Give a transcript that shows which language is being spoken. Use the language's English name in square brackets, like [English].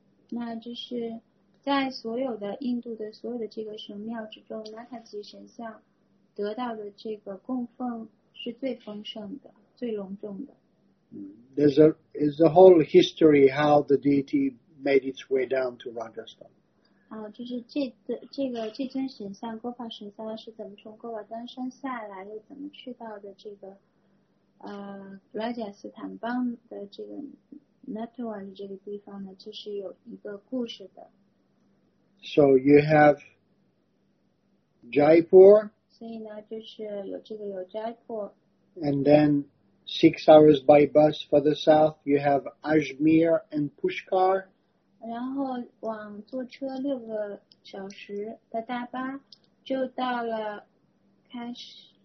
[Chinese] 那就是在所有的印度的所有的这个神庙之中，那他吉神像得到的这个供奉是最丰盛的，最隆重的。 [English] There's a whole history how the deity made its way down to Rajasthan. [Chinese] 啊，就是这尊神像郭发神像是怎么从郭瓦丹山下来，又怎么去到的这个拉贾斯坦邦的这个 Nathdwar 这个地方呢？就是有一个故事的。 [English] So you have Jaipur. [Chinese] 所以呢，就是有这个有 Jaipur. [English] And then 6 hours by bus further south, you have Ajmer and Pushkar. [Chinese] 然后往坐车六个小时的大巴，就到了开始